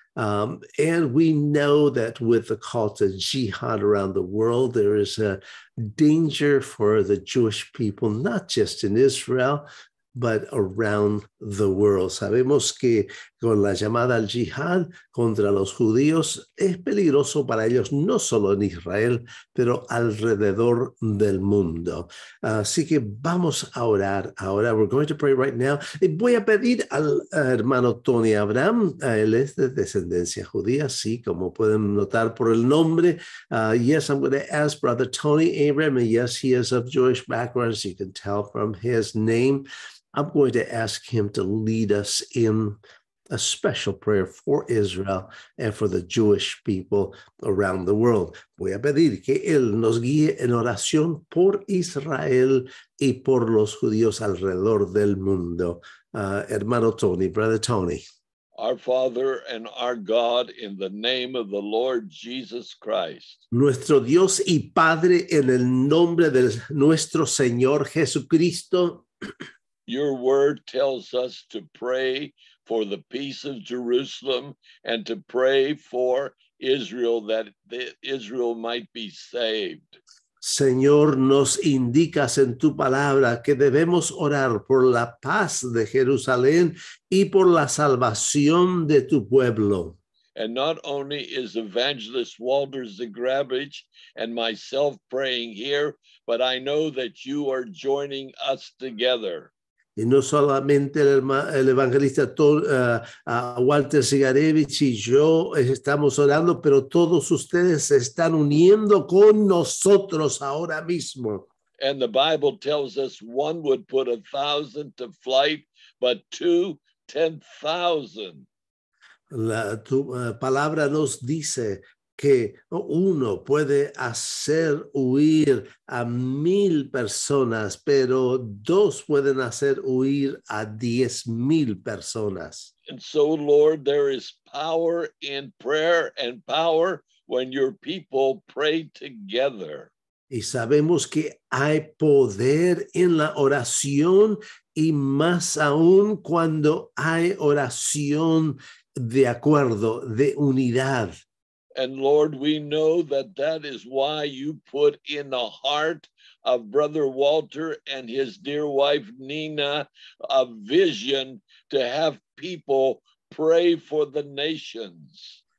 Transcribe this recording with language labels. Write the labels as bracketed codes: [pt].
[en] And we know that with the call to jihad around the world, there is a danger for the Jewish people, not just in Israel, but around the world. [es] Sabemos que con la llamada al jihad contra los judíos, es peligroso para ellos, no solo en Israel, pero alrededor del mundo. Así que vamos a orar ahora. [en] We're going to pray right now. [es] Voy a pedir al hermano Tony Abram. Él es de descendencia judía, sí, como pueden notar por el nombre. [en] Yes, I'm going to ask Brother Tony Abram. And yes, he is of Jewish background, as you can tell from his name. I'm going to ask him to lead us in a special prayer for Israel and for the Jewish people around the world. [es] Voy a pedir que él nos guíe en oración por Israel y por los judíos alrededor del mundo. Hermano Tony, Brother Tony. [en] Our Father and our God, in the name of the Lord Jesus Christ. [es] Nuestro Dios y Padre, en el nombre de nuestro Señor Jesucristo. [en] Your word tells us to pray for the peace of Jerusalem and to pray for Israel, that Israel might be saved. [es] Señor, nos indicas en tu palabra que debemos orar por la paz de Jerusalén y por la salvación de tu pueblo. [en] And not only is Evangelist Walter Zagarevich and myself praying here, but I know that you are joining us together. [es] Y no solamente el evangelista Walter Zagarevich y yo estamos orando, pero todos ustedes se están uniendo con nosotros ahora mismo. [en] And the Bible tells us one would put 1,000 to flight, but two, 10,000. [es] La tu palabra nos dice que uno puede hacer huir a 1,000 personas, pero dos pueden hacer huir a 10,000 personas. [en] And so, Lord, there is power in prayer and power when your people pray together. [es] Y sabemos que hay poder en la oración y más aún cuando hay oración de acuerdo, de unidad. [en] And Lord, we know that that is why you put in the heart of Brother Walter and his dear wife, Nina, a vision to have people pray for the nations.